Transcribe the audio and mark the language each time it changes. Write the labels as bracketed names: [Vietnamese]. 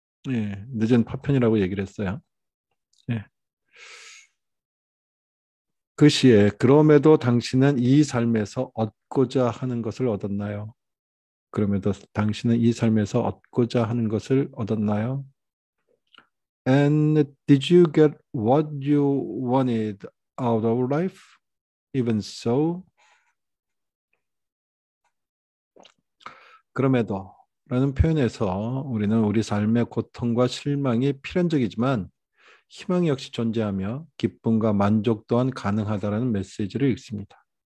[Korean] 예, 늦은 파편이라고 얘기를 했어요. 그 시에 그럼에도 당신은 이 삶에서 얻고자 하는 것을 얻었나요? 그럼에도 당신은 이 삶에서 얻고자 하는 것을 얻었나요? [English] And did you get what you wanted out of life? Even so, [Korean] 그럼에도라는 표현에서 우리는 우리 삶의 고통과 실망이 필연적이지만 희망이 역시 존재하며 기쁨과 만족 또한 가능하다라는 메시지를 읽습니다.